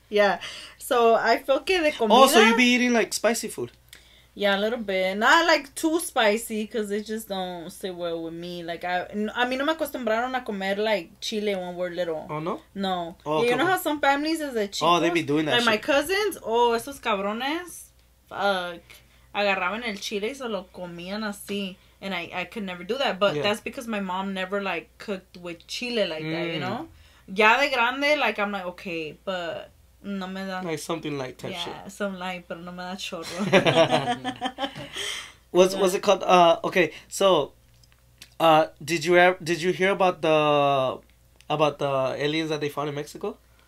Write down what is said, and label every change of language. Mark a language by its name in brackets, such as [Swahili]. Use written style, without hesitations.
[English] Yeah. So, I feel [Spanish] que de comida... [English] Oh, so you be eating, like, spicy food? Yeah, a little bit. Not, like, too spicy, because it just don't sit well with me. [Spanish] Like, a mí no me acostumbraron a comer, like, chile [English] when we're little. Oh, no? No. Oh, yeah, you know how some families is a chico? Oh, they be doing that like, shit. My cousins, oh, [Spanish] esos cabrones, fuck, agarraban el chile y se lo comían así. [English] And I could never do that. But that's because my mom never, like, cooked with chile like that, you know? [Spanish] Ya de grande, like, [English] I'm like, okay, but [Spanish] no me da... [English] Like, something light type shit. Yeah, some light, [Spanish] pero no me da chorro. [English] What's it called? Okay, so, did you hear about the aliens that they found in Mexico?